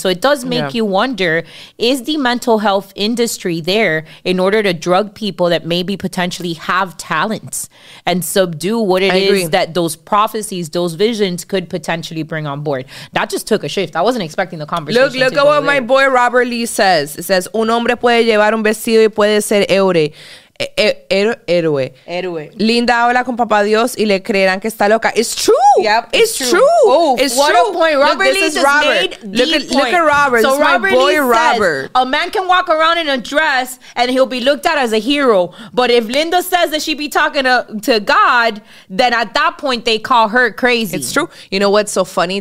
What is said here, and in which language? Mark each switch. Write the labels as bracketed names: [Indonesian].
[English] So it does make you wonder, is the mental health industry there in order to drug people that maybe potentially have talents and subdue what it is that those prophecies, those visions could potentially bring on board? That just took a shift. I wasn't expecting the conversation. Look at what my boy Robert Lee says. It says, [Spanish] un hombre puede llevar un vestido y puede ser héroe. Héroe. Linda habla con Papá Dios y le creerán que está loca. [English] It's true. Yep. It's true. Oof, it's what true. What a point. Robert Lee just made the point. Look at Robert. So this Robert is my boy Lee Robert. Says, a man can walk around in a dress and he'll be looked at as a hero. But if Linda says that she be talking to God, then at that point they call her crazy. It's true. You know what's so funny?